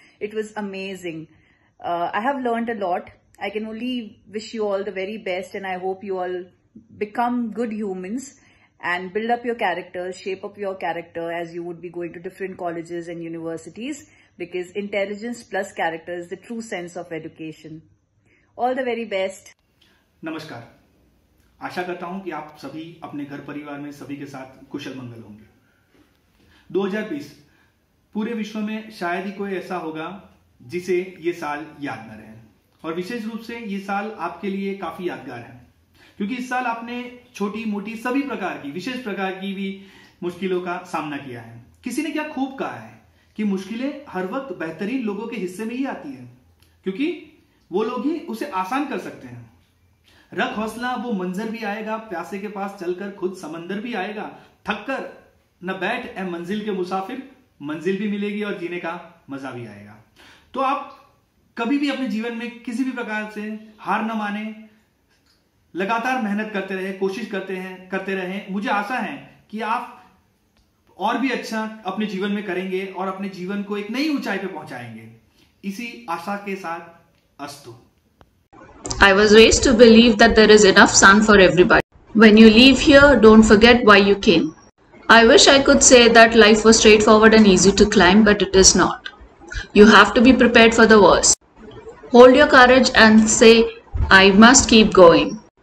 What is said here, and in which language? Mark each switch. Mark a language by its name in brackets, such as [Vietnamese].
[English] It was amazing. I have learned a lot. I can only wish you all the very best, and I hope you all become good humans and build up your character, shape up your character as you would be going to different colleges and universities. Because intelligence plus character is the true sense of education. All the very best. [Hindi] Namaskar. आशा करता हूँ कि आप सभी अपने घर परिवार में सभी के साथ कुशल मंगल होंगे. 2020 पूरे विश्व में शायद ही कोई ऐसा होगा जिसे ये साल याद न रहे, और विशेष रूप से ये साल आपके लिए काफी यादगार है क्योंकि इस साल आपने छोटी मोटी सभी प्रकार की, विशेष प्रकार की भी मुश्किलों का सामना किया है। किसी ने क्या खूब कहा है कि मुश्किलें हर वक्त बेहतरीन लोगों के हिस्से में ही आती है क्योंकि वो लोग ही उसे आसान कर सकते हैं। रख हौसला, वो मंजर भी आएगा, प्यासे के पास चलकर खुद समंदर भी आएगा, थककर न बैठ ए मंजिल के मुसाफिर, मंजिल भी मिलेगी और जीने का मजा भी आएगा। तो आप कभी भी अपने जीवन में किसी भी प्रकार से हार न माने, लगातार मेहनत करते रहे, कोशिश करते रहे। मुझे आशा है कि आप और भी अच्छा अपने जीवन में करेंगे और अपने जीवन को एक नई ऊंचाई पर पहुंचाएंगे। इसी आशा के साथ अस्तु। [English] I was raised to believe that there is enough sun for everybody. When you leave here, don't forget why you came. I wish I could say that life was straightforward and easy to climb, but it is not. You have to be prepared for the worst. Hold your courage and say, I must keep going.